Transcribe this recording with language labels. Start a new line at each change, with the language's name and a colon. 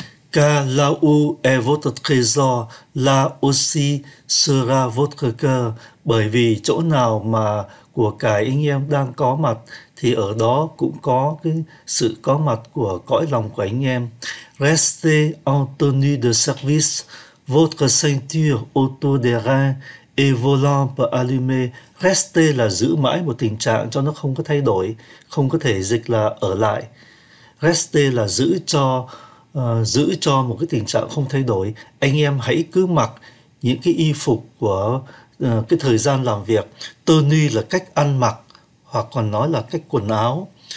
French: Car là où est votre trésor, là aussi sera votre cœur.
Vietnamese: Bởi vì chỗ nào mà của cải anh em đang có mặt thì ở đó cũng có cái sự có mặt của cõi lòng của anh em.
French: Restez en tenue de service, votre ceinture autour des reins et vos lampes allumées.
Vietnamese: Restez là giữ mãi một tình trạng cho nó không có thay đổi, không có thể dịch là ở lại. Restez là giữ cho một cái tình trạng không thay đổi. Anh em hãy cứ mặc những cái y phục của cái thời gian làm việc. Tenue là cách ăn mặc, hoặc còn nói là cách quần áo.